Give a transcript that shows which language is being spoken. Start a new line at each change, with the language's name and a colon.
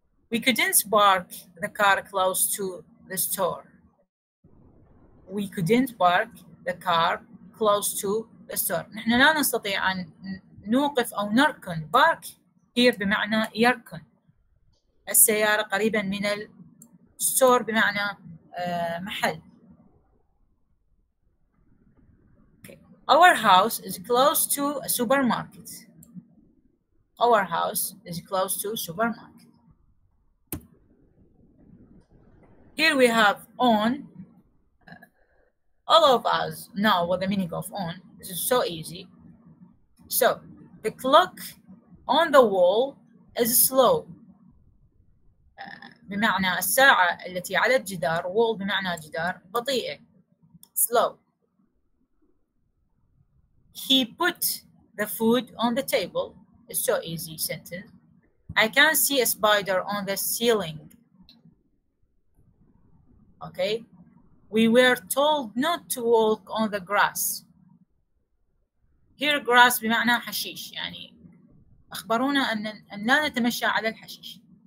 English: We couldn't park the car close to the store. We couldn't park the car close to the store.
Arabic: نحن لا نستطيع أن نوقف أو نركن.
English: Park here
Arabic: بمعنى يركن. السيارة قريبا من ال store بمعنى محل.
English: Okay. Our house is close to a supermarket. Our house is close to a supermarket. Here we have on, all of us know what the meaning of on. This is so easy. So the clock on the wall is slow.
Arabic: بمعنى الساعة التي على الجدار, wall بمعنى جدار, بطيئة, slow.
English: He put the food on the table. It's so easy sentence. I can see a spider on the ceiling. Okay. We were told not to walk on the grass.
Arabic: Here grass بمعنى حشيش, يعني أخبرونا أن لا نتمشى على الحشيش.